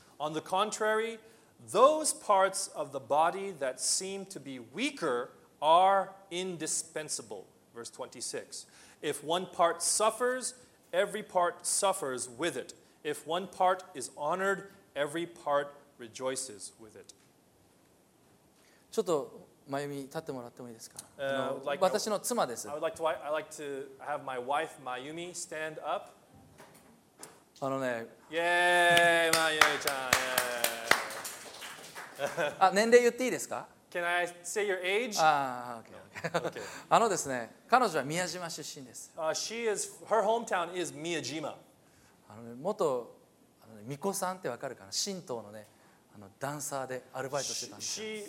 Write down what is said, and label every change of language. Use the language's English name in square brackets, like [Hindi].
[English] On the contrary, those parts of the body that seem to be weaker are indispensable. Verse 26. If one part suffers, every part suffers with it. If one part is honored, every partRejoices with it. [Japanese] ちょっと真由美立ってもらってもいいですか。私の妻です。 [English] I would like to have my wife Mayumi stand up. [Japanese] あのね。 [English] Yay, Mayumi ちゃん。 [Japanese] あ、年齢言っていいですか。 [English] Can I say your age? Ah, okay. Okay. [Japanese] あのですね、彼女は宮島出身です。 [English] She is her hometown is Miyajima. [Japanese] あのね、元あのね、巫女さんってわかるかな、神道のね。ダンサーでアルバイトしてたんです。